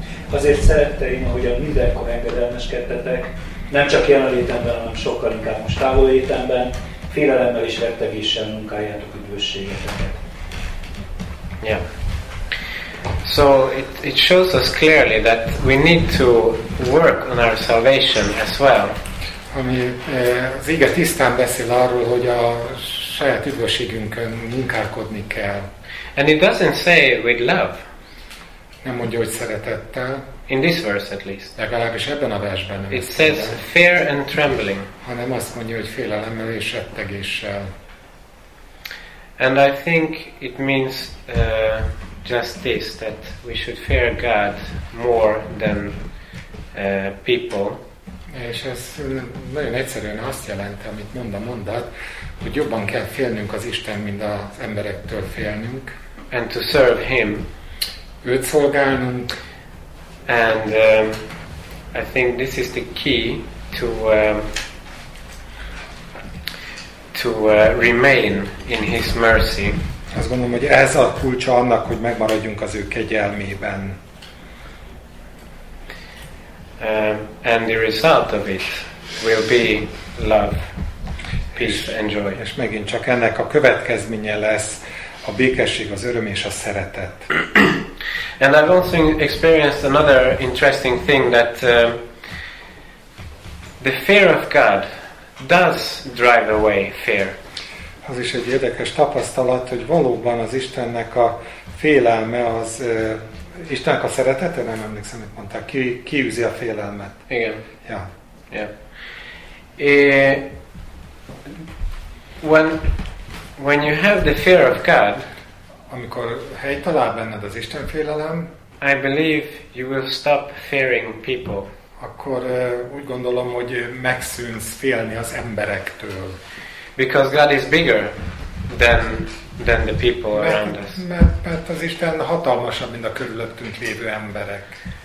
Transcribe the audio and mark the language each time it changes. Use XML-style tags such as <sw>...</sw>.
<hu>Azért szeretteim, ahogyan mindenkor engedelmeskedtetek, nem csak jelenlétemben, hanem sokkal inkább most távollétemben, félelemmel és rettegéssel munkáljátok üdvösségeteket.</hu> <en>Yeah. So it shows us clearly that we need to work on our salvation as well.</en> <hu>Ami az ige tisztán beszél arról, hogy a saját üdvösségünkön munkálkodni kell.</hu> <en>And it doesn't say with love.</en> <hu>Nem mondja, hogy szeretettel.</hu> <en>In this verse at least.</en> <hu>Legalábbis ebben a versben.</hu> <en>It says fear and trembling.</en> <hu>Hanem azt mondja, hogy félelemmel és rettegéssel.</hu> <en>And I think it means just this, that we should fear God more than people.</en> <hu>És ez nagyon egyszerűen azt jelenti, amit mond a mondat, hogy jobban kell félnünk az Isten, mint az emberektől félnünk.</hu> <en>And to serve Him.</en> <hu>Őt szolgálnunk.</hu> <en>And I think this is the key to remain in His mercy.</en> <hu>Azt gondolom, hogy ez a kulcsa annak, hogy megmaradjunk az ő kegyelmében.</hu> <en>And the result of it will be love, peace and joy.</en> <hu>És megint csak ennek a következménye lesz a békesség, az öröm és a szeretet.</hu> <en>And I've also experienced another interesting thing, that the fear of God does drive away fear.</en> <hu>Az is egy érdekes tapasztalat, hogy valóban az Istennek a félelme az Istennek a szeretete, nem emlékszem, hogy mondták, kiűzi a félelmet. Igen. Ja.</hu> <en>Yeah. When you have the fear of God,</en> <hu>amikor helyt talál benned az Isten félelem,</hu> <en>I believe you will stop fearing people.</en> <hu>Akkor úgy gondolom, hogy megszűnsz félni az emberektől.</hu> <en>Because God is bigger than the people around us.</en> <hu>Mert az Isten hatalmasabb, mint a körülöttünk lévő emberek.</hu>